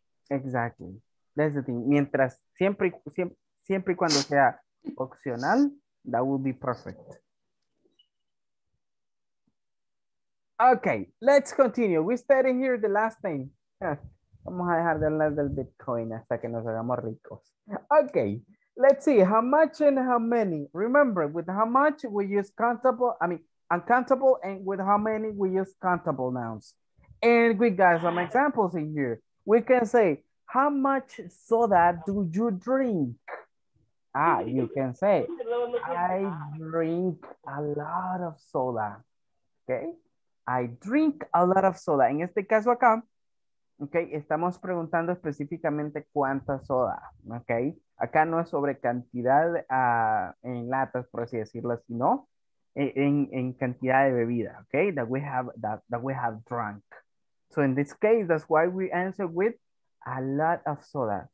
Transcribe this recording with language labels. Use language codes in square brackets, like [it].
[en] Exactly. That's the thing. [es] Mientras siempre y cuando sea opcional, [en] that would be perfect. Okay, let's continue. We started here the last time. [es] Vamos a dejar de hablar del Bitcoin hasta que nos hagamos ricos. [en] Okay. Let's see how much and how many. Remember, with how much we use uncountable, and with how many we use countable nouns. And we got some examples in here. We can say, how much soda do you drink? Ah, you can say, I drink a lot of soda. Okay, I drink a lot of soda. [es] En este caso acá, okay, estamos preguntando específicamente cuánta soda, okay. Acá no es sobre cantidad en latas, por así decirlo, sino en cantidad de bebida, okay? [en] That we have drunk. So in this case, that's why we answer with a lot of soda.